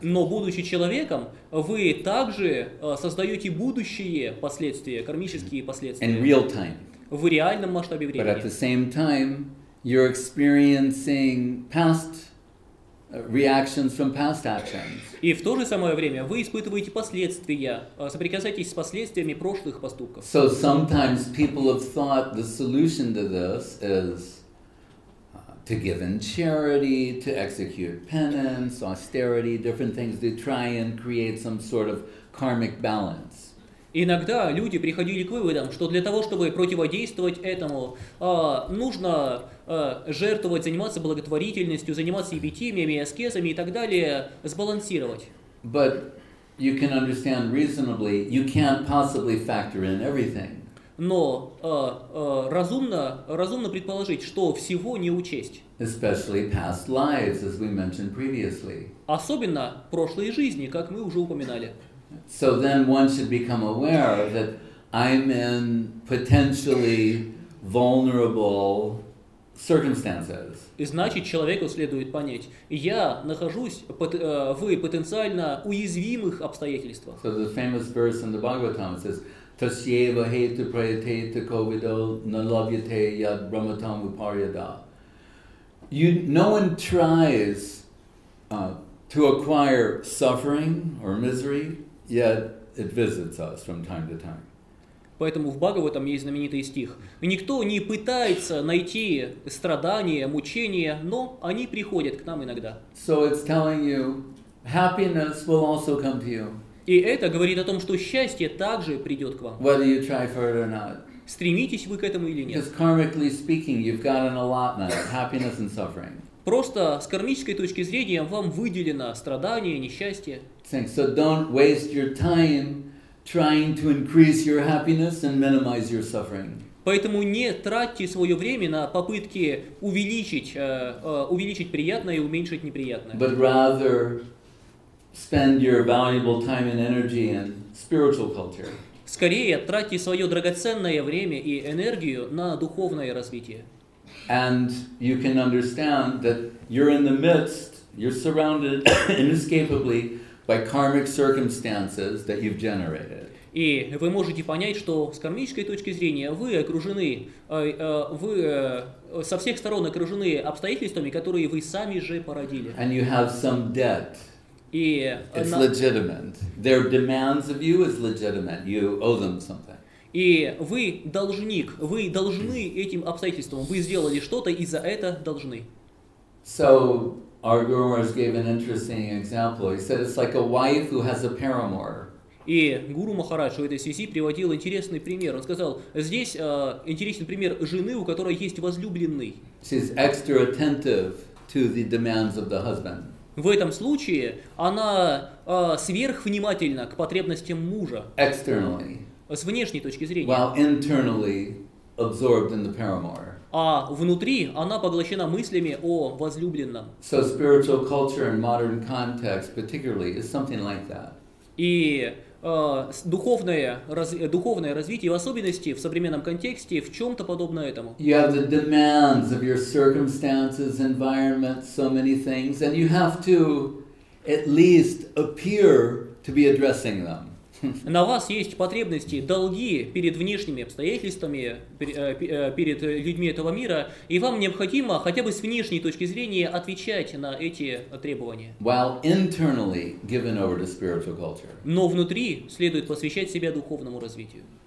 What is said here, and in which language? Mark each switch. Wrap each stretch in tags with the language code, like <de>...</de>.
<ru>Но будучи человеком, вы также создаете будущие последствия, кармические последствия.</ru> <en>In real time.</en> <ru>В реальном масштабе времени.</ru> <en>But at the same time, you're experiencing past reactions from past actions.</en> <ru>И в то же самое время вы испытываете последствия, соприкасаетесь с последствиями прошлых поступков.</ru> <en>So sometimes people have thought the solution to this is to give in charity, to execute penance, austerity, different things to try and create some sort of karmic balance.</en> <ru>Иногда люди приходили к выводам, что для того, чтобы противодействовать этому, нужно жертвовать, заниматься благотворительностью, заниматься епитимиями, аскезами и так далее, сбалансировать.</ru> <en>But you can understand reasonably, you can't possibly factor in everything.</en> <ru>Но разумно предположить, что всего не учесть.</ru> <en>Especially past lives, as we mentioned previously.</en> <ru>Особенно прошлые жизни, как мы уже упоминали.</ru> <en>So then one should become aware that I'm in potentially vulnerable circumstances.</en> <ru>И значит, человеку следует понять, я нахожусь в потенциально уязвимых обстоятельствах.</ru> <en>So the famous verse in the Bhagavatam says,</en> <sa>Tasyeva hetu prayateta kovido nalavyate yad brahmatam uparyada.</sa> <en>No one tries to acquire suffering or misery, yet it visits us from time to time.</en> <ru>Поэтому в Бхагаватам есть знаменитый стих. Никто не пытается найти страдания, мучения, но они приходят к нам иногда.</ru> <en>So it's telling you, happiness will also come to you.</en> <ru>И это говорит о том, что счастье также придет к вам.</ru> <en>Whether you try for it or not.</en> <ru>Стремитесь вы к этому или нет.</ru> <en>Because karmically speaking, you've got an allotment of happiness and suffering.</en> <ru>Просто с кармической точки зрения вам выделено страдание, несчастье.</ru> <en>So don't waste your time trying to increase your happiness and minimize your suffering.</en> <ru>Поэтому не тратьте свое время на попытки увеличить приятное и уменьшить неприятное.</ru> <en>But rather spend your valuable time and energy in spiritual culture.</en> <ru>Скорее тратьте свое драгоценное время и энергию на духовное развитие.</ru> <en>And you can understand that you're in the midst, you're surrounded inescapably by karmic circumstances that you've generated.</en> <ru>И вы можете понять, что с кармической точки зрения вы окружены, вы со всех сторон окружены обстоятельствами, которые вы сами же породили.</ru> <en>And you have some debt.</en> <ru>И</ru> <en>it's legitimate. Their demands of you is legitimate. You owe them something.</en> <ru>И вы должник. Вы должны этим обстоятельствам. Вы сделали что-то и за это должны.</ru> <en>So our gurus gave an interesting example. He said it's like a wife who has a paramour.</en> <ru>И гуру Махарадж в этой связи приводил интересный пример. Он сказал, здесь интересный пример жены, у которой есть возлюбленный.</ru> <en>She's extra attentive to the demands of the husband.</en> <ru>В этом случае она сверхвнимательна к потребностям мужа.</ru> <en>Externally.</en> <ru>С внешней точки зрения.</ru> <en>While internally absorbed in the paramour.</en> <ru>А внутри она поглощена мыслями о возлюбленном.</ru> <en>So spiritual culture in modern context particularly is something like that.</en> <ru>И духовное развитие, в особенности в современном контексте, в чем-то подобно этому.</ru> <en>You have the demands of your circumstances, environment, so many things, and you have to at least appear to be addressing them.</en> <ru>На вас есть потребности, долги перед внешними обстоятельствами, перед людьми этого мира, и вам необходимо хотя бы с внешней точки зрения отвечать на эти требования.</ru> <en>While internally given over to spiritual culture.</en> <ru>Но внутри следует посвящать себя духовному развитию.</ru>